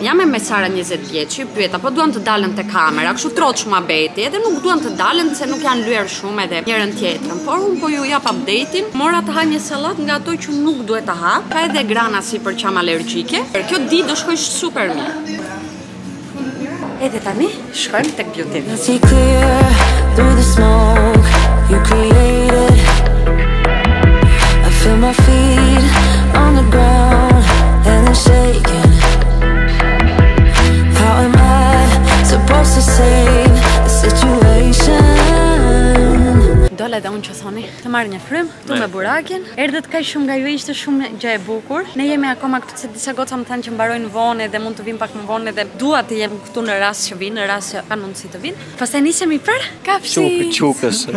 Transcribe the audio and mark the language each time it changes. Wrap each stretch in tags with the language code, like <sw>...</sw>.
<sq>Jam e me Sara 20 vjeç, i pyeta, po duan të dalën te kamera, kështu troç shumë abeti, edhe nuk duan të dalën se nuk janë lyer shumë edhe njërën tjetrën. Por unë po ju jap update-in, mora të haj një sallat nga ato që nuk duhet të ha, ka edhe grana si për qam alergjike. Për kjo ditë do shkoj super mirë. Edhe tani shkojmë tek beauty-in.</sq> <en>See clear through the smoke you created. I feel my feet on the ground and I'm shaking. How am I supposed to save the situation?</en> <sq>Dole dhe unë që thoni, të marrë një frym, tu me burakin. Erdhët kaj shumë nga ju, ishte shumë gjë e bukur. Ne jemi akoma këtu se disa goca më thanë që mbarojnë vone dhe mund të vinë pak më vone dhe dua të jem këtu në rast që vinë, në rast që kanë mundësi të vinë. Pastaj nisemi për kafshi. Çukës.</sq>